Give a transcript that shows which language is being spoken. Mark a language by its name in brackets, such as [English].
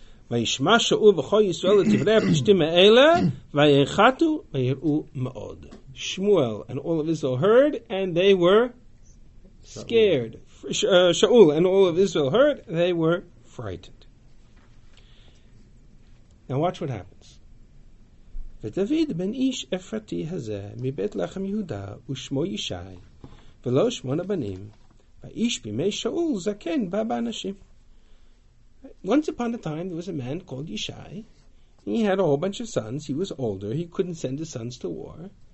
[Hebrew] וישמע שאול וכל ישראל את דברי הפלישתים האלה, ויחתו ויראו מאוד. [English] Shmuel and all of Israel heard, and they were scared. Shaul and all of Israel heard, they were frightened. Now watch what happens. [Hebrew] ודוד בן איש אפרתי הזה, מבית לחם יהודה, ושמו ישי, ולא שמונה בנים, ואיש בימי שאול זקן בא באנשים. [English] Once upon a time, there was a man called Yishai. He had a whole bunch of sons. He was older. He couldn't send his sons to war.